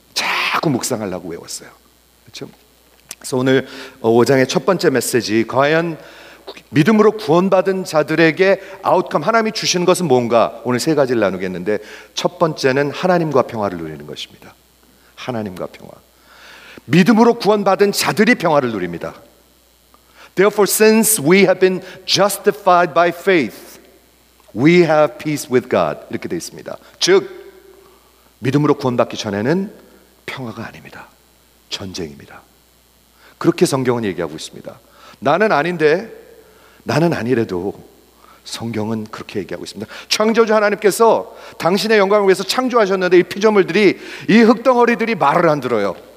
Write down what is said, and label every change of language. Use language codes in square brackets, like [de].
[ko] 자꾸 묵상하려고 외웠어요. 그렇죠? 그래서 오늘 5장의 첫 번째 메시지, 과연 믿음으로 구원받은 자들에게 아웃컴, 하나님이 주시는 것은 뭔가, 오늘 세 가지를 나누겠는데 첫 번째는 하나님과 평화를 누리는 것입니다. 하나님과 평화. 믿음으로 구원받은 자들이 평화를 누립니다. [en] Therefore, since we have been justified by faith, we have peace with God. [ko] 이렇게 되어 있습니다. 즉, 믿음으로 구원받기 전에는 평화가 아닙니다. 전쟁입니다. 그렇게 성경은 얘기하고 있습니다. 나는 아닌데, 나는 아니래도 성경은 그렇게 얘기하고 있습니다. 창조주 하나님께서 당신의 영광을 위해서 창조하셨는데 이 피조물들이, 이 흙덩어리들이 말을 안 들어요.